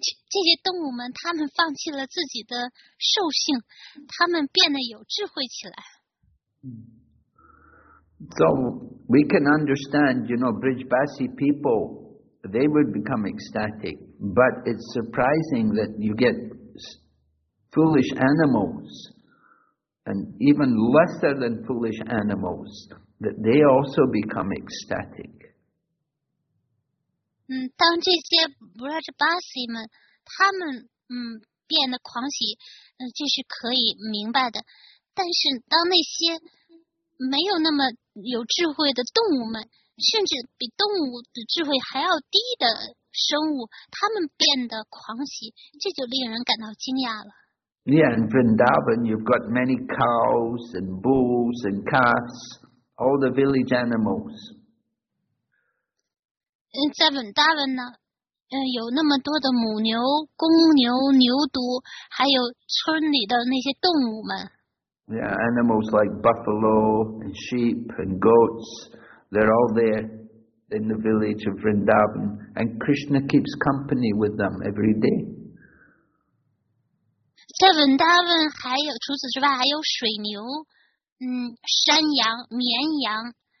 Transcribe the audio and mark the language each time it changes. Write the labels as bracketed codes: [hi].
[zh] 这些动物们，他们放弃了自己的兽性，他们变得有智慧起来。 [en] So we can understand, you know, Brijbasi people, they would become ecstatic. But it's surprising that you get foolish animals, and even lesser than foolish animals, that they also become ecstatic. [zh] 当这些 Brijbasi 们他们变得狂喜，这是可以明白的。但是当那些没有那么有智慧的动物们，甚至比动物的智慧还要低的生物，他们变得狂喜，这就令人感到惊讶了。 [en] Yeah, in Vrindavan, you've got many cows and bulls and calves, all the village animals. [zh] 在 Vrindavan 呢？有那么多的母牛、公牛、牛犊，还有村里的那些动物们。 [en] Yeah, animals like buffalo and sheep and goats, they're all there in the village of Vrindavan, and Krishna keeps company with them every day. [zh] 在 Vrindavan 还有除此之外还有水牛、山羊、绵羊。